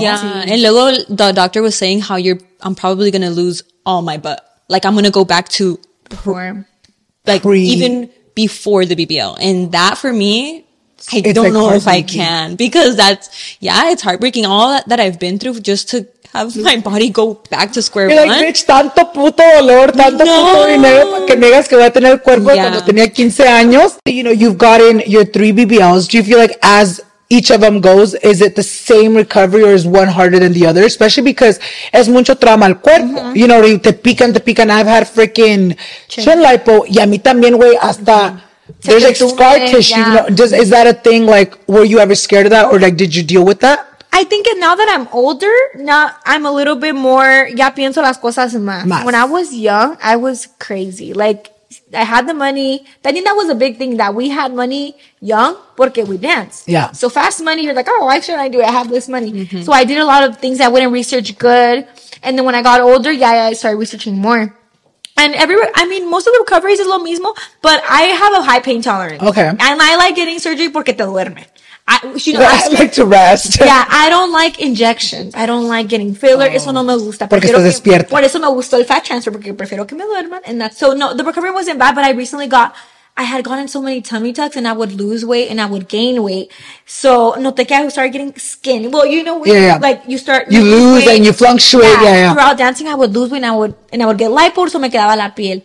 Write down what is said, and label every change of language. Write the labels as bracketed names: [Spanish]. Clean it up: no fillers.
[English] Yeah, and luego the doctor was saying how I'm probably going to lose all my butt. Like, I'm going to go back to even before the BBL. And that for me, I don't know if I can. Because that's, it's heartbreaking. All that I've been through just to have my body go back to square one. You're like, bitch, [Spanish] tanto puto dolor, tanto puto dinero para que me digas que voy a tener el cuerpo cuando tenía 15 años. [English] You know, you've gotten your three BBLs. Do you feel like as each of them goes, is it the same recovery or is one harder than the other? Especially because [Spanish] es mucho trauma al cuerpo. Mm-hmm. [English] You know, [Spanish] te pican. [English] I've had freaking chin lipo. [Spanish] Y a mí también, güey, hasta... [English] There's like scar tissue. Yeah. You know, is that a thing? Like, were you ever scared of that? Or like, did you deal with that? I think now that I'm older, now I'm a little bit more, [Spanish] ya pienso las cosas más. [English] When I was young, I was crazy. Like, I had the money. I think that was a big thing, that we had money young porque we danced. Yeah. So fast money, you're like, oh, why shouldn't I do it? I have this money. Mm-hmm. So I did a lot of things that I wouldn't research good. And then when I got older, I started researching more. And everywhere, I mean, most of the recoveries is [Spanish] lo mismo, [English] but I have a high pain tolerance. Okay. And I like getting surgery [Spanish] porque te duerme. [English] I like to rest. Yeah, I don't like injections. I don't like getting filler. [Spanish] Eso no me gusta. Porque estás despierta. Por eso me gustó el fat transfer, porque prefiero que me duerman. [English] And that's, so no, the recovery wasn't bad, but I had gotten so many tummy tucks and I would lose weight and I would gain weight. So, [Spanish] noté que [English] I started getting skin. Well, you know, you fluctuate. Throughout dancing, I would lose weight and I would get lipo, so [Spanish] me quedaba la piel.